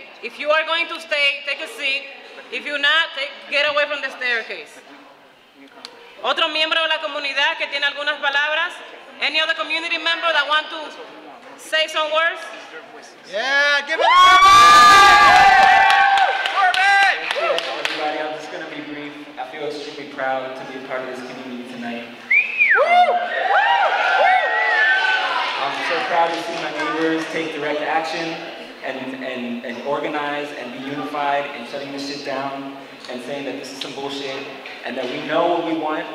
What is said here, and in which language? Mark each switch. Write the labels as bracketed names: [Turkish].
[English] If you are going to stay, take a seat. If you're not, get away from the staircase. [Spanish] Otro miembro de la comunidad que tiene algunas palabras. [English] Any other community member that want to say some words? Yeah, give it to me. I'm just going to be brief. I feel extremely proud to be a part of this community tonight. I'm so proud to see my neighbors take direct action and organize and be unified in shutting this shit down and saying that this is some bullshit and that we know what we want.